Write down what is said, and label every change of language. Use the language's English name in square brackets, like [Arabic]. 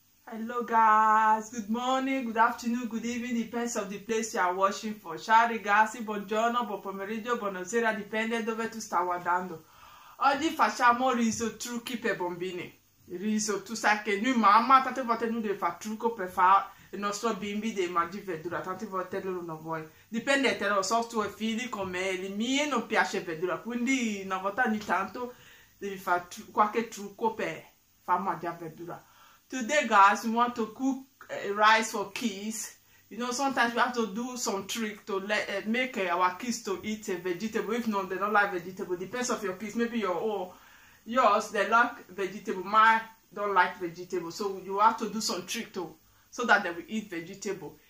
[English] Hello guys, good morning, good afternoon, good evening, depends on the place you are watching for. [Italian] Ciao ragazzi, buongiorno, buon pomeriggio, buonasera, dipende dove tu stai guardando. Oggi facciamo riso trucchi per bambini. Riso, tu sai che noi mamma tante volte noi dobbiamo fare trucco per fare il nostro bimbi dei mangi verdura, tante volte loro non vogliono. Dipende, te lo so, i tuoi figli come i miei non piace verdura, quindi una volta ogni tanto devi fare qualche trucco per far mangiare verdura. [English] Today, guys, we want to cook rice for kids. You know, sometimes we have to do some trick to let make our kids to eat a vegetable. If not, they don't like vegetable. Depends on your kids. Maybe your own. Yours, they like vegetable. Mine don't like vegetable. So you have to do some trick to so that they will eat vegetable.